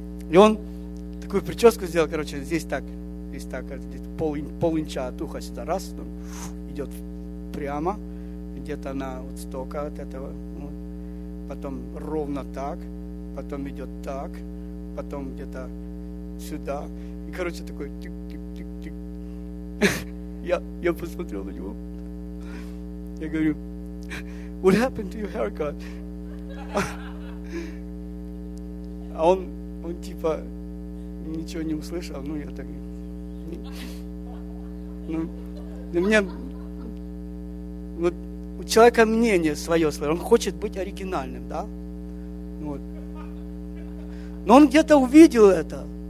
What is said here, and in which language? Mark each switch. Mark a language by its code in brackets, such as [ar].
[ru] И он такую прическу сделал, короче, здесь так, пол инча от уха сюда, раз, ну, идет прямо, где-то на вот столько от этого, вот. Потом ровно так, потом идет так, потом где-то сюда, и, короче, такой тик-тик-тик-тик. Я посмотрел на него. Я говорю, [en] what happened to your haircut? [ru] А он типа ничего не услышал. Ну, я так... Ну, у меня... Вот у человека мнение свое. Он хочет быть оригинальным, да? Вот. Но он где-то увидел это.